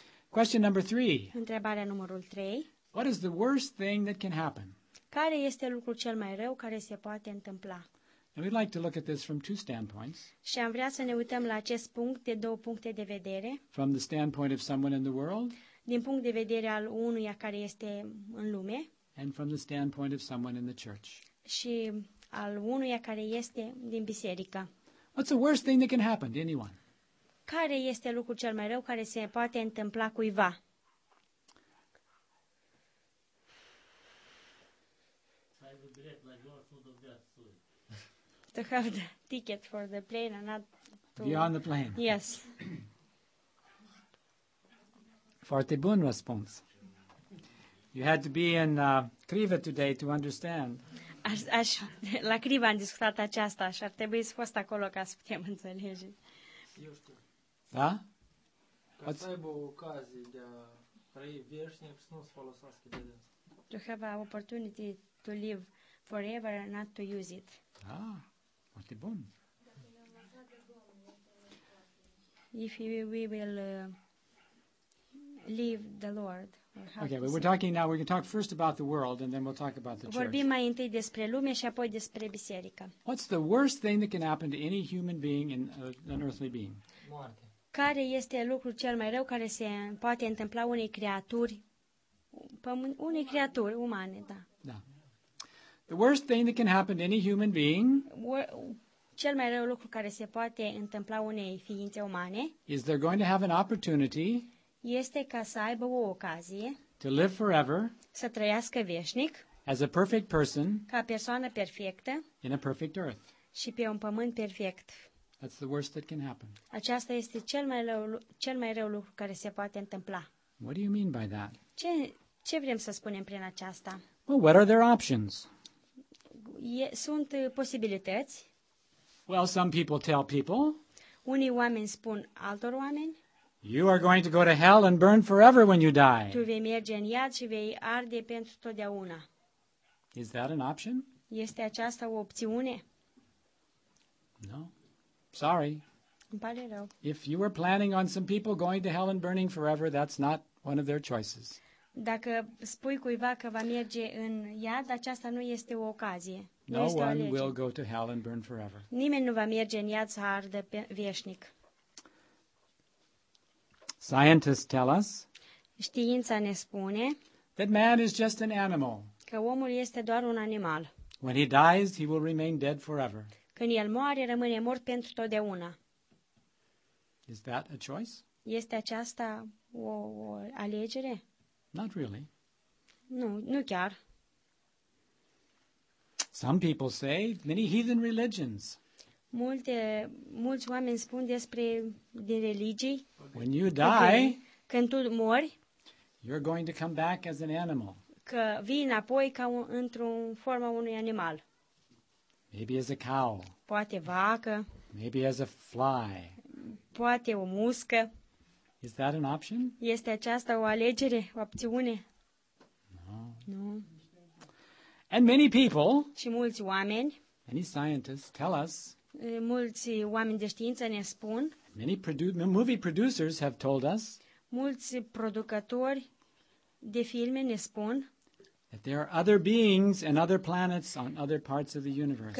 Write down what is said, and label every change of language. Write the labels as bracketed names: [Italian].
[English] Question number 3. [Romanian] Întrebarea numărul 3. [English] What is the worst thing that can happen? [Romanian] Care este lucrul cel mai rău care se poate întâmpla? [English] And we'd like to look at this from two standpoints. [Romanian] Și am vrea să ne uităm la acest punct de două puncte de vedere. [English] From the standpoint of someone in the world. [Romanian] Din punct de vedere al unuia care este în lume. [English] And from the standpoint of someone in the church. [Romanian] Și al unuia care este din biserică. [English] What's the worst thing that can happen to anyone? [Romanian] Care este lucrul cel mai rău care se poate întâmpla cuiva? [English] To have the ticket for the plane and not to be on the plane. Yes. [Romanian] Foarte bun răspuns. [English] You had to be in Criva today to understand. [Romanian] La Criva am discutat aceasta și ar trebui să fost acolo ca să putem înțelege. Eu știu. Da? Ca să aibă ocazie de a trăi veșnic și să nu se folosească de asta. [English] To have an opportunity to live forever and not to use it. [Romanian] Da. Foarte bun. [English] If we will leave the Lord Okay, but we're talking now, we can talk first about the world and then we'll talk about the church. [Romanian] Vorbim mai întâi despre lume și apoi despre biserică. [English] What's the worst thing that can happen to any human being in an earthly being? [Romanian] Moarte. Care este lucrul cel mai rău care se poate întâmpla unei creaturi? Unei creaturi umane, da. Da. [English] The worst thing that can happen to any human being? [Romanian] Cel mai rău lucru care se poate întâmpla unei ființe umane? [English] Is they're going to have an opportunity? [Romanian] Este ca să aibă o ocazie [English] to live forever, [Romanian] să trăiască veșnic, [English] as a perfect person, [Romanian] ca persoană perfectă, [English] in a perfect earth, [Romanian] și pe un pământ perfect. [English] That's the worst that can happen. [Romanian] Aceasta este cel mai rău lucru care se poate întâmpla. [English] What do you mean by that? [Romanian] Ce vrem să spunem prin aceasta? [English] Well, what are their options? [Romanian] Sunt posibilități. [English] Well, some people tell people. [Romanian] Unii oameni spun altor oameni. [English] You are going to go to hell and burn forever when you die. [Romanian] Tu vei merge în iad și vei arde pentru totdeauna. [English] Is that an option? [Romanian] Este aceasta o opțiune? [English] No. Sorry. [Romanian] Îmi pare rău. [English] If you were planning on some people going to hell and burning forever, that's not one of their choices. [Romanian] Dacă spui cuiva că va merge în iad, aceasta nu este o ocazie. [English] No one will go to hell and burn forever. [Romanian] Nimeni nu va merge în iad să ardă veșnic. [English] Scientists tell us [Romanian] Știința ne spune [English] that man is just an animal. [Romanian] Că omul este doar un animal. [English] When he dies, he will remain dead forever. [Romanian] Când el moare, rămâne mort pentru totdeauna. [English] Is that a choice? [Romanian] Este aceasta o alegere? [English] Not really. [Romanian] Nu chiar. [English] Some people say many heathen religions. [Romanian] Mulți oameni spun despre din religii. [English] When you die, [Romanian] când tu mori, [English] you're going to come back as an animal. [Romanian] Că vii înapoi ca într-un formă unui animal. [English] Maybe as a cow. [Romanian] Poate vacă. [English] Maybe as a fly. [Romanian] Poate o muscă. [English] Is that an option? [Romanian] Este aceasta o alegere, o opțiune? [English] No. [Romanian] Nu. [English] And many people. [Romanian] Și mulți oameni. [English] Many scientists tell us. [Romanian] Mulți oameni de știință ne spun. [English] Many movie producers have told us. [Romanian] Mulți producători de filme ne spun. [English] That there are other beings and other planets on other parts of the universe.